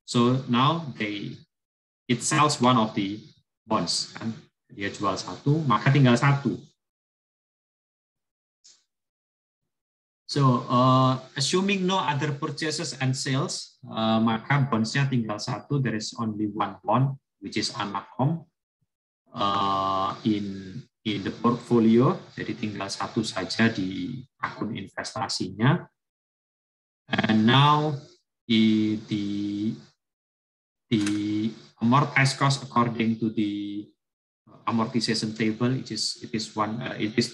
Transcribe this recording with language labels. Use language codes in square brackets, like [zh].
[en] So now it sells one of the bonds. [id] Kan? Dia jual satu, maka tinggal satu. [en] So, assuming no other purchases and sales, [id] maka bondsnya tinggal satu. [en] There is only one bond, which is Anacom, in the portfolio. [id] Jadi tinggal satu saja di akun investasinya. [en] And now the amortized cost according to the amortization table, it is 200,000.